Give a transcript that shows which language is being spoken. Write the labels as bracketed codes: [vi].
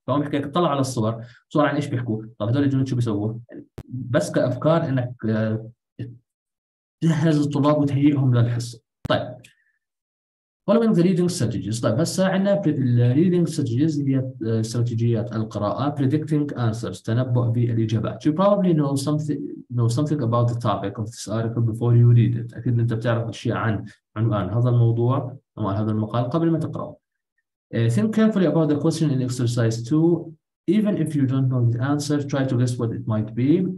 [ar] فهم بحكي لك اطلع على الصور، صور عن ايش بيحكوا، طب هذول الجنود شو بيسووا، بس كافكار انك جهز الطلاب وتهيئهم للحصة. [en] طيب following the reading strategies. [ar] طيب هسا عنا reading strategies، هي استراتيجيات القراءة. [en] predicting answers، تنبؤ بالإجابات. you probably know something about the topic of this article before you read it. [ar] أكيد أنت بتعرف أشياء عن عنوان هذا الموضوع أو عن هذا المقال قبل ما تقرأه. [en] think carefully about the question in exercise 2. Even if you don't know the answer, try to guess what it might be.